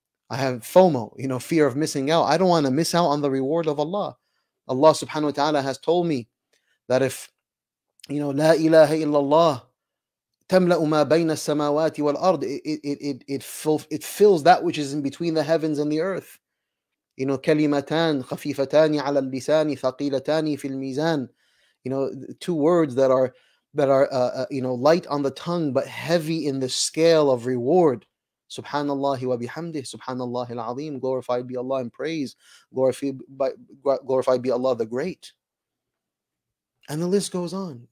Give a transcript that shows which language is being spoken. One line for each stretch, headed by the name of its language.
English: I have FOMO, you know, fear of missing out. I don't want to miss out on the reward of Allah. Allah subhanahu wa ta'ala has told me that if, you know,
Arabic: لا إله إلا الله تملأ ما بين السماوات والأرض,
English: it fills that which is in between the heavens and the earth. You know,
Arabic: كلمتان خفيفتان على اللسان ثقيلتان في الميزان.
English: You know, two words that are light on the tongue but heavy in the scale of reward.
Arabic: Subhanallah wa bihamdih, Subhanallah al-Azim,
English: glorified be Allah and praise, glorified be Allah the Great. And the list goes on.